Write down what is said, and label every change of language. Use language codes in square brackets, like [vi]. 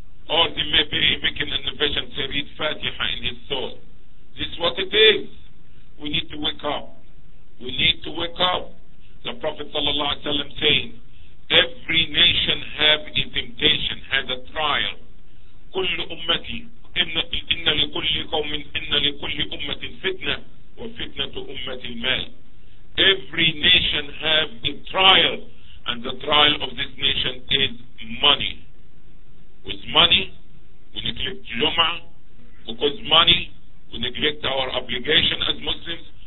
[en] Or they may be making an invitation to read Fatiha in his soul. This is what it is. We need to wake up. We need to wake up. The Prophet sallallahu alaihi wasallam saying, every nation have a temptation, has a trial. [ar] كل أمتي إن لكل قوم إن لكل أمة فتنة وفتنة أمة المال. [en] Every nation have a trial, and the trial of this nation is money. With money, we neglect Jum'ah. Because money, we neglect our obligation as Muslims.